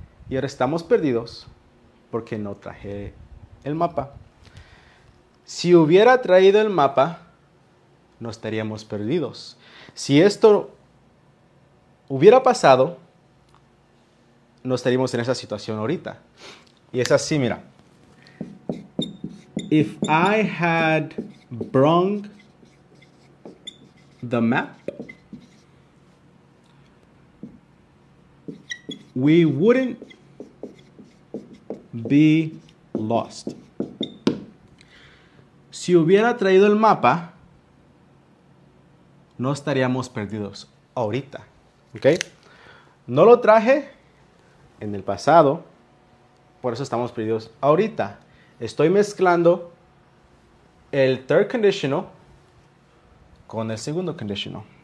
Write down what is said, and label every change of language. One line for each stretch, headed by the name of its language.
Spanish: Y ahora estamos perdidos porque no traje el mapa. Si hubiera traído el mapa, no estaríamos perdidos. Si esto hubiera pasado, no estaríamos en esa situación ahorita. Y es así, mira.
English: If I had brought the map, we wouldn't be lost.
Spanish: Si hubiera traído el mapa, no estaríamos perdidos ahorita. ¿Ok? No lo traje en el pasado, por eso estamos perdidos ahorita. Estoy mezclando el third conditional con el segundo conditional.